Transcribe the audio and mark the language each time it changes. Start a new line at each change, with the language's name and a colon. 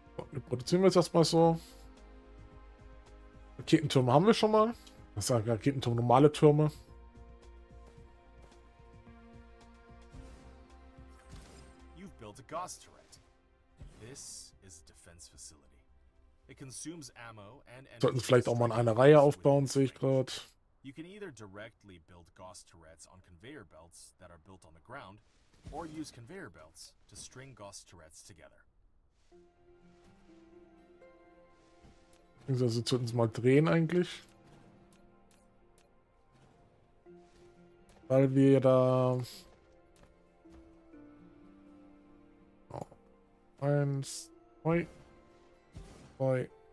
German: Wir produzieren jetzt erstmal so. Raketentürme haben wir schon mal. Das sind Raketentürme, normale Türme.
English: You've built a Gauss turret. This is a defense facility. It consumes ammo and energy.
German: Sollten es vielleicht auch mal in einer Reihe aufbauen, sehe ich gerade.
English: You can either directly build Gauss turrets on conveyor belts that are built on the ground or use conveyor belts to string Gauss turrets together.
German: Also zu uns mal drehen eigentlich. Weil wir da... Oh. 1, 2, 3.